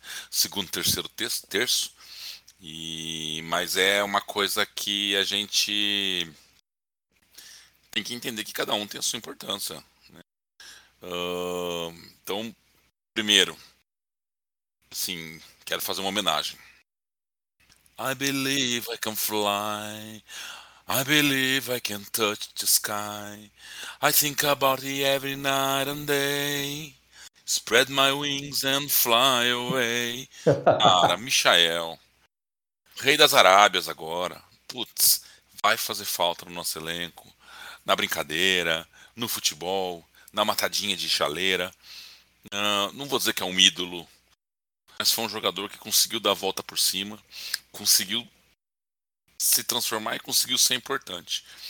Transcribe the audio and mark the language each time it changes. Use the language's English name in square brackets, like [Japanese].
[Portuguese] Segundo e terceiro terço. Mas é uma coisa que a gente tem que entender que cada um tem a sua importância. Então, primeiro, assim, quero fazer uma homenagem. [English] I believe I can fly, I believe I can touch the sky, I think about it every night and day, spread my wings and fly away. [Portuguese] Cara, Michael, rei das Arábias agora, putz, vai fazer falta no nosso elenco, na brincadeira, no futebol, na matadinha de chaleira. Não vou dizer que é um ídolo, mas foi um jogador que conseguiu dar a volta por cima, conseguiu se transformar e conseguiu ser importante.